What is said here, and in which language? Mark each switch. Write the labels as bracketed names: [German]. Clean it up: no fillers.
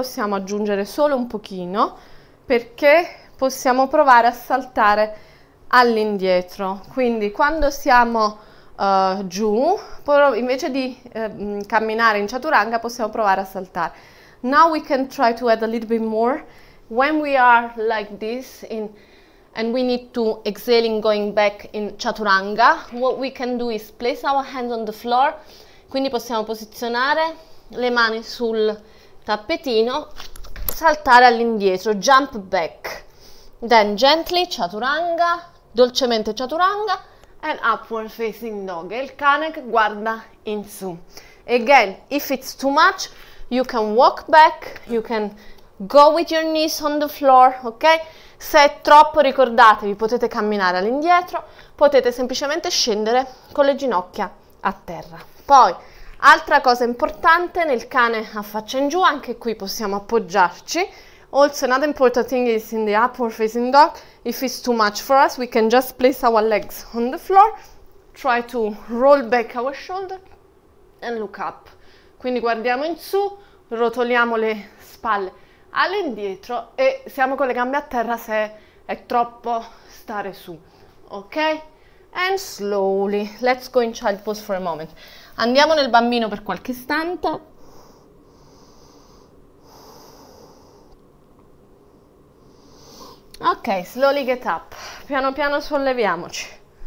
[Italian] Possiamo aggiungere solo un pochino perché possiamo provare a saltare all'indietro. Quindi quando siamo giù, invece di camminare in Chaturanga, possiamo provare a saltare. [English] Now we can try to add a little bit more when we are like this and we need to exhaling going back in Chaturanga. What we can do is place our hands on the floor, [Italian] quindi possiamo posizionare le mani sul tappetino, saltare all'indietro, [English] jump back, then gently Chaturanga, [Italian] dolcemente Chaturanga, [English] and upward facing dog, [Italian] e il cane che guarda in su. [English] Again, if it's too much, you can walk back, you can go with your knees on the floor, ok? [Italian] Se è troppo, ricordatevi, potete camminare all'indietro, potete semplicemente scendere con le ginocchia a terra. Poi, altra cosa importante, nel cane a faccia in giù, anche qui possiamo appoggiarci. [English] Also, another important thing is in the upward facing dog, if it's too much for us, we can just place our legs on the floor, try to roll back our shoulder and look up. [Italian] Quindi guardiamo in su, rotoliamo le spalle all'indietro e siamo con le gambe a terra se è troppo stare su. [English] Ok? And slowly, let's go in child pose for a moment. [Italian] Andiamo nel bambino per qualche istante. [English] Ok, slowly get up. [Italian] Piano piano solleviamoci.